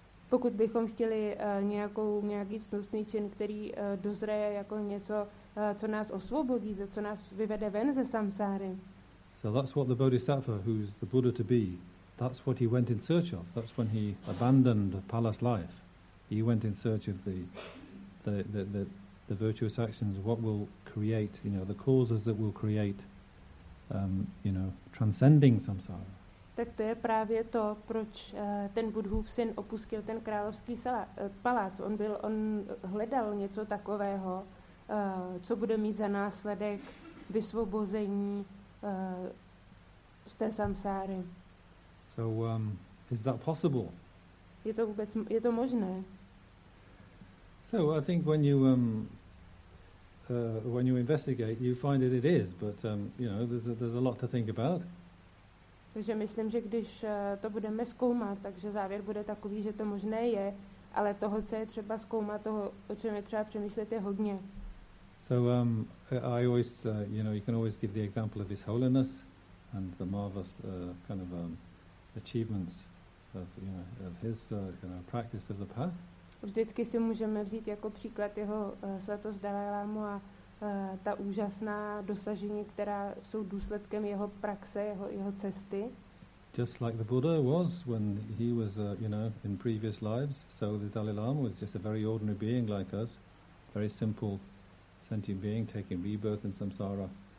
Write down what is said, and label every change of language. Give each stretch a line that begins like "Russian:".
Czech: Pokud bychom chtěli nějaký cnostný čin, který dozreje jako něco, co nás osvobodí, co nás vyvede ven ze samsáry.
English: So that's what the Bodhisattva, who's the Buddha to be, that's what he went in search of. That's when he abandoned palace life. He went in search of the virtuous actions, what will create, you know, the causes that will create, you know, transcending samsara.
Czech: Tak to je právě to, proč ten Buddhův syn opustil ten královský palác. On hledal něco takového, co bude mít za následek vysvobození z té samsáry.
English: So, is that possible?
Czech: Je to možné?
English: So, I think when you investigate, you find that it is, but you know, there's a lot to think about.
Czech: Takže myslím, že když to budeme zkoumat, takže závěr bude takový, že to možné je, ale toho, co je třeba zkoumat, toho, o čem je třeba přemýšlet, je hodně.
English: So I always, you know, you can always give the example of His Holiness and the marvelous kind of achievements of, you know, of His you know, practice of the path.
Czech: Vždycky si můžeme vzít jako příklad jeho svatost Dalai Lámu a ta úžasná dosažení, která jsou důsledkem jeho praxe, jeho cesty.
English: Just like the Buddha was when he was, you know, in previous lives, so the Dalai Lama was just a very ordinary being like us, very simple sentient being taking rebirth in samsara.